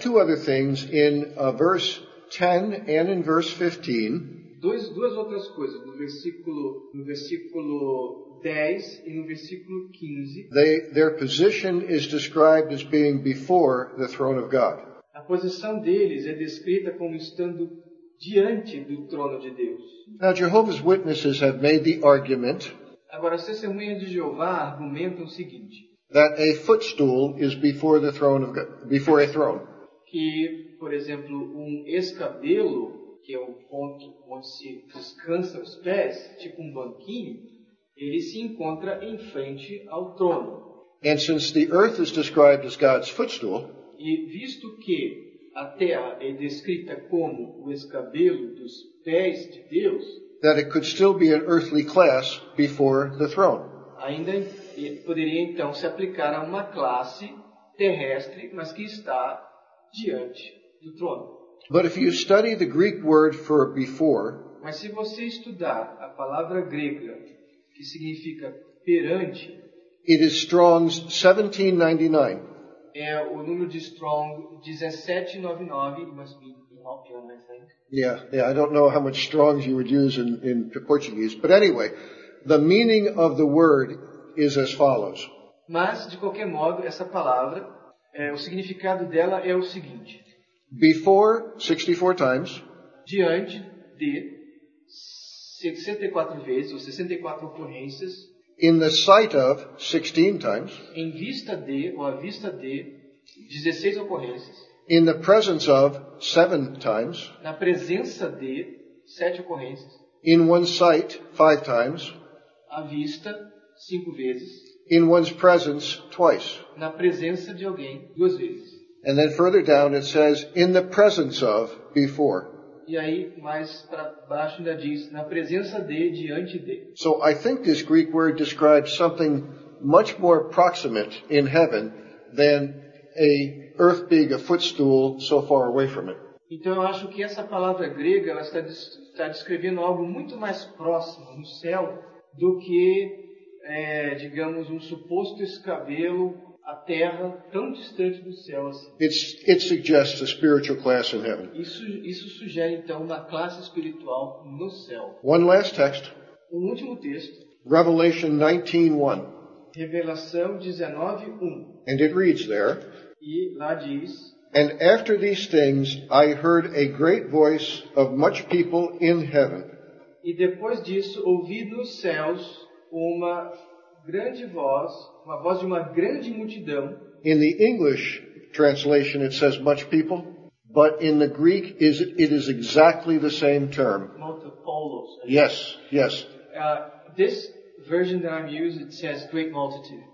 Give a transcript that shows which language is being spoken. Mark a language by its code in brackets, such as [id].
[en] Two other things, in verse 10 and in verse 15, [pt] Duas outras coisas, no versículo 10 e no versículo 15. [en] Their position is described as being before the throne of God. [pt] A posição deles é descrita como estando diante do trono de Deus. [en] Now, Jehovah's Witnesses have made the argument. [pt] Agora, as testemunhas de Jeová argumentam o seguinte. [en] That a footstool is before the throne of God, before a throne. [pt] Que, por exemplo, escabelo, que é o ponto onde se descansa os pés, tipo banquinho, ele se encontra em frente ao trono. [en] And since the earth is described as God's footstool, [pt] e visto que a terra é descrita como o escabelo dos pés de Deus, [en] that it could still be an earthly class before the throne. [pt] Ainda poderia então se aplicar a uma classe terrestre, mas que está diante do trono. [en] But if you study the Greek word for before, [pt] mas se você estudar a palavra grega que significa perante, [en] it is Strong's 1799. [pt] É o número de Strong 1799, [en] it must be European, I think. Yeah, I don't know how much Strong's you would use in Portuguese, but anyway, the meaning of the word is as follows. [pt] Mas de qualquer modo, essa palavra, o significado dela é o seguinte. [en] Before, 64 times. [pt] Diante de 64 vezes, ou 64 ocorrências. [en] In the sight of, 16 times. [pt] Em vista de, ou à vista de, 16 ocorrências. [en] In the presence of, 7 times. [pt] Na presença de, 7 ocorrências. [en] In one's sight, 5 times. [pt] À vista, 5 vezes. [en] In one's presence, twice. [pt] Na presença de alguém, 2 vezes. [en] And then further down it says, in the presence of, before. [pt] E aí, mais para baixo ainda diz, na presença de, diante de. [en] So I think this Greek word describes something much more proximate in heaven than a earth being a footstool so far away from it. [pt] Então eu acho que essa palavra grega, ela está descrevendo algo muito mais próximo no céu do que, digamos, suposto escabelo a terra tão distante do céu assim. [en] It suggests a spiritual class in heaven. [pt] Isso sugere então uma classe espiritual no céu. [en] One last text. [pt] Um último texto. [en] Revelation 19:1. [pt] Revelação 19:1. [en] And it reads there. [pt] E lá diz. [en] And after these things, I heard a great voice of much people in heaven. [pt] E depois disso, ouvi nos céus uma grande voz, uma voz de uma grande multidão. [en] In the English translation, it says much people, but in the Greek, it is exactly the same term. Multipolos. Yes, yes. This version that I'm using, it says great multitude.